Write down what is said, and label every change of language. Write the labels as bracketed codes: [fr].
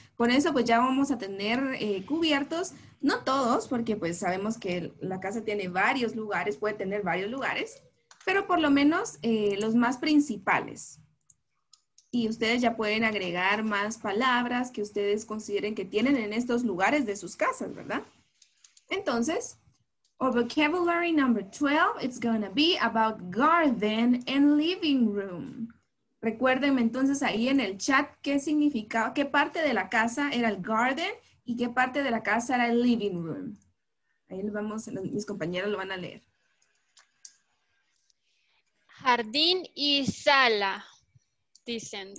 [es] Con eso pues ya vamos a tener cubiertos, no todos, porque pues sabemos que la casa tiene varios lugares, puede tener varios lugares, pero por lo menos los más principales. Y ustedes ya pueden agregar más palabras que ustedes consideren que tienen en estos lugares de sus casas, ¿verdad? Entonces, [en] Our vocabulary number 12 is going to be about garden and living room. [es] Recuérdenme entonces ahí en el chat qué significaba, qué parte de la casa era el garden y qué parte de la casa era el living room. Ahí lo vamos, mis compañeros lo van a leer. Jardín y sala, dicen.